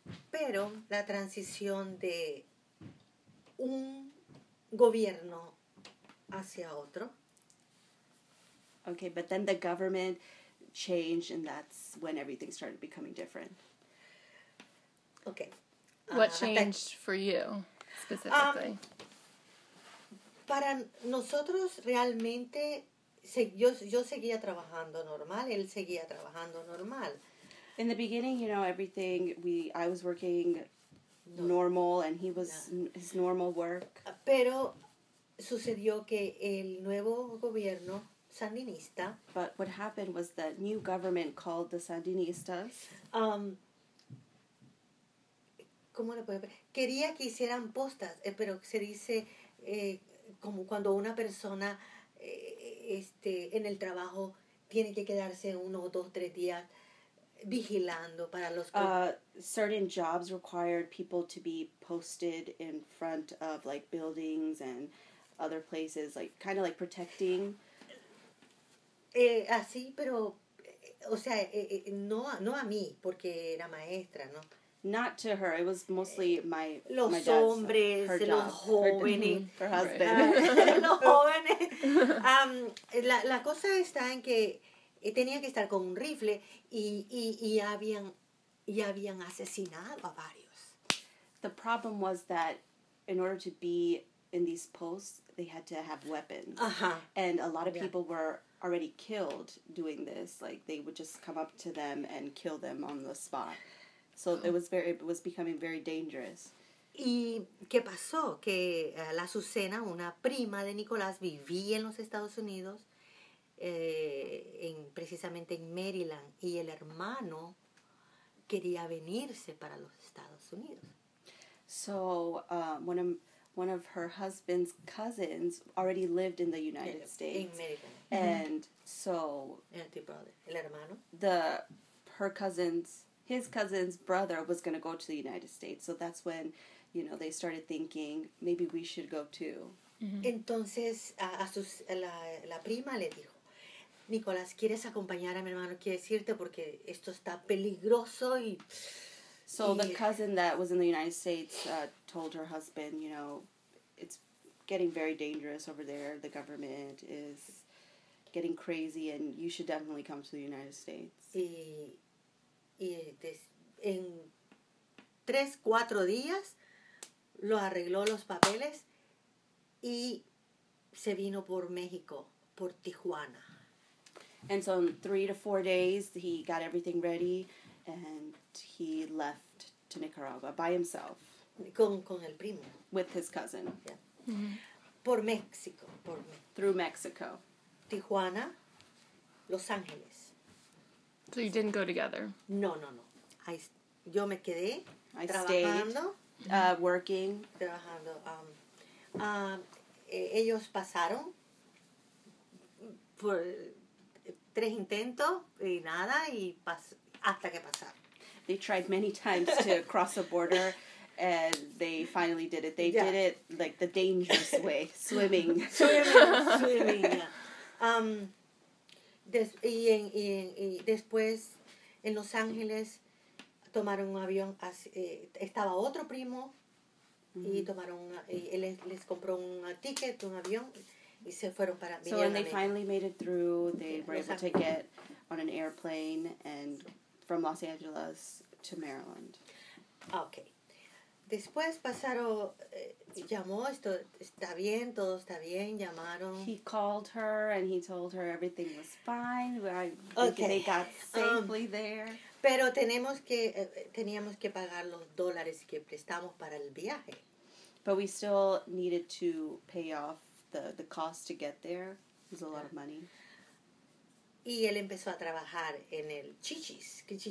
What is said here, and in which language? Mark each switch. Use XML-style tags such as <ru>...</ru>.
<es>Pero la transición de un gobierno hacia otro.</es> <en>Okay, but then the government changed, and that's when everything started becoming different. Okay. What changed for you, specifically?</en> <es>Para nosotros, realmente, yo seguía trabajando normal, él seguía trabajando normal.</es> <en>In the beginning, you know, everything, I was working normal, and he was, his normal work.</en> <es>Pero sucedió que el nuevo gobierno sandinista...</es> <en>But what happened was the new government called the Sandinistas...</en> <es>¿Cómo le puedo decir? Quería que hicieran postas, pero se dice como cuando una persona en el trabajo tiene que quedarse uno, dos, tres días vigilando para los...</es> <en>Certain jobs required people to be posted in front of, like, buildings and other places, like, kind of like protecting.</en> <es>Así, pero, o sea, no a mí, porque era maestra, ¿no?</es> <en>Not to her. It was mostly my</en> <es>los</es> <en>my hombres, dad's, her los job, jóvenes. Her husband.</en> <es>los jóvenes. La cosa está en que tenía que estar con un rifle y habían asesinado a varios.</es> <en>The problem was that in order to be in these posts, they had to have weapons. Uh-huh. And a lot of people were already killed doing this. Like, they would just come up to them and kill them on the spot. So it was becoming very dangerous.</en> <es>¿Y qué pasó? Que la Azucena, una prima de Nicolás, vivía en los Estados Unidos, precisamente en Maryland, y el hermano quería venirse para los Estados Unidos.</es> <en>So one of her husband's cousins already lived in the United States. In Maryland. And mm-hmm. so...</en> <es>El hermano.</es> <en>His cousin's brother was going to go to the United States. So that's when, you know, they started thinking, maybe we should go too. Mm-hmm.</en> <es>Entonces, la prima le dijo, Nicolás, ¿quieres acompañar a mi hermano? ¿Quieres irte? Porque esto está peligroso y...</es> <en>So the cousin that was in the United States told her husband, you know, it's getting very dangerous over there. The government is getting crazy and you should definitely come to the United States.</en> <es>Y en 3-4 días lo arregló los papeles y se vino por México, por Tijuana.</es> <en>And so in 3-4 days he got everything ready and he left to Nicaragua by himself.</en> <es>Con el primo.</es> <en>With his cousin.</en> <es>Yeah. Mm-hmm. Por México.</es> <en>Through Mexico.</en> <es>Tijuana, Los Ángeles.</es> <en>So you didn't go together?</en> <es>No. Yo me quedé trabajando.</es> <en>I stayed working.</en> <es>Trabajando. Ellos pasaron por 3 intentos y nada, y hasta que pasaron.</es> <en>They tried many times to cross a border, and they finally did it. They did it, like, the dangerous way, swimming. Swimming, yeah.</en> <es>Después, en Los Ángeles, tomaron un avión, estaba otro primo, mm-hmm. y él les compró un ticket, un avión, y se fueron para...</es> <en>So when they finally made it through, they were able to get on an airplane and... From Los Angeles to Maryland. Okay. Después pasaron, llamó, esto está bien, todo está bien, llamaron. He called her and he told her everything was fine. Okay. They got safely there.</en> <es>Pero teníamos que pagar los dólares que prestamos para el viaje.</es> <en>But we still needed to pay off the cost to get there. It was a lot of money.</en> <es>Y él empezó a trabajar en el Chi-Chi's.</es>